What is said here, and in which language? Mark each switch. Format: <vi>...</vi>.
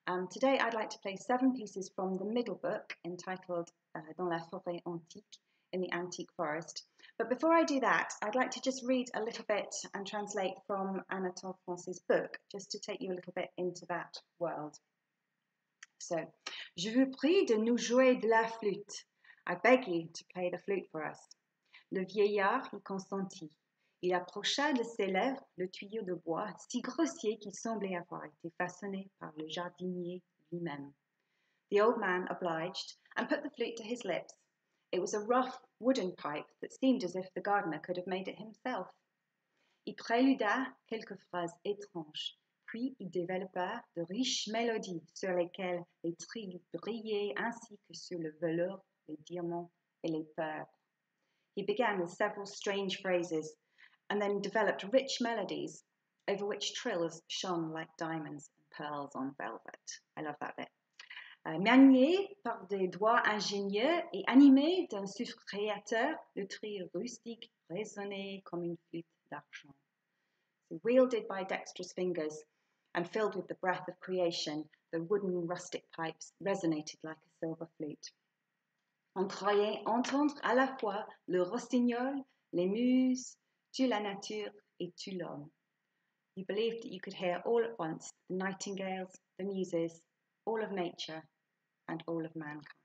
<en>Today I'd like to play seven pieces from the middle book, entitled</en> <fr>Dans la forêt antique,</fr> <en>in the antique forest. But before I do that, I'd like to just read a little bit and translate from Anatole France's book, just to take you a little bit into that world.</en> <fr>So, je vous prie de nous jouer de la flûte.</fr> <en>I beg you to play the flute for us.</en> <fr>Le vieillard y consentit. Il approcha de ses lèvres le tuyau de bois, si grossier qu'il semblait avoir été façonné par le jardinier lui-même.</fr> <en>The old man obliged and put the flute to his lips. It was a rough wooden pipe that seemed as if the gardener could have made it himself.</en> <fr>Il préluda quelques phrases étranges, puis il développa de riches mélodies sur lesquelles les trilles brillaient ainsi que sur le velours, les diamants et les perles.</fr> <en>He began with several strange phrases and then developed rich melodies over which trills shone like diamonds and pearls on velvet. I love that bit.</en> <fr>Manié par des doigts ingénieux et animé d'un souffle créateur, le trio rustique résonnait comme une flûte d'argent.</fr> <en>Wielded by dexterous fingers and filled with the breath of creation, the wooden rustic pipes resonated like a silver flute.</en> <fr>On croyait entendre à la fois le rossignol, les muses, tu la nature et tu l'homme.</fr> <en>You believed that you could hear all at once the nightingales, the muses, all of nature, and all of mankind.</en>